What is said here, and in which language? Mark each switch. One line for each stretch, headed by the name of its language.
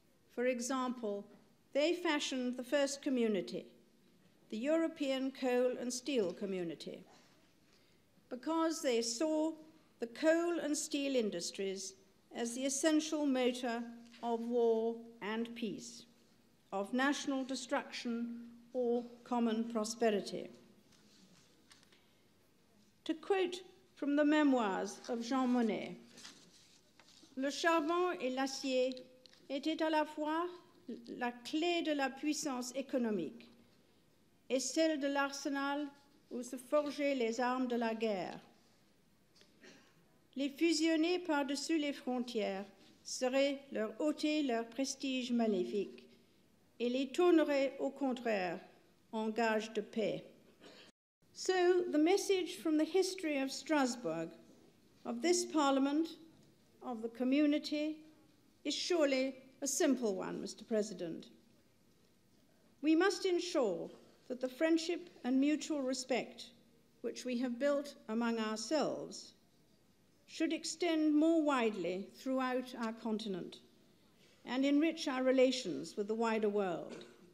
English: For example, they fashioned the first community, the European Coal and Steel Community, because they saw the coal and steel industries as the essential motor of war and peace, of national destruction or common prosperity. To quote from the memoirs of Jean Monnet,
French: "Le charbon et l'acier étaient à la fois la clé de la puissance économique et celle de l'arsenal où se forgeaient les armes de la guerre. Les fusionner par-dessus les frontières serait leur ôter leur prestige maléfique et les tournerait au contraire en gage de paix."
English: So the message from the history of Strasbourg, of this Parliament, of the community, is surely a simple one, Mr. President. We must ensure that the friendship and mutual respect which we have built among ourselves should extend more widely throughout our continent and enrich our relations with the wider world.